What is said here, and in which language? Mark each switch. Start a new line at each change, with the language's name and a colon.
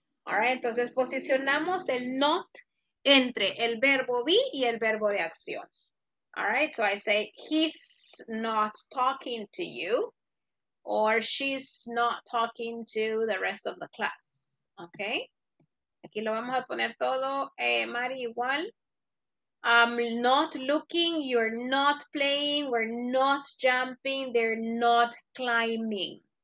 English: All right,
Spanish: entonces posicionamos el not entre el verbo be y el verbo de acción.
English: All right, so I say, he's not talking to you, or she's not talking to the rest of the class, okay?
Spanish: Aquí lo vamos a poner todo, Mari, igual.
English: I'm not looking, you're not playing, we're not jumping, they're not climbing.